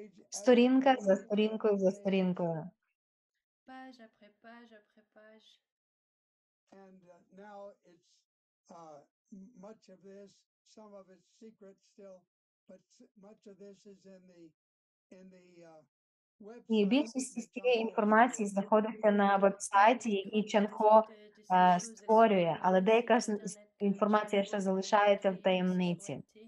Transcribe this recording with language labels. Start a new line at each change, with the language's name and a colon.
Ukrainian: Сторінка за сторінкою за сторінкою.
French: Page après page après page.
English: And now it's much of this, some of it's secret still, but much of this is in the website.
Ukrainian: І більшість з цієї інформації знаходиться на веб-сайті, який Чанхо створює, але деяка інформація ще залишається в таємниці.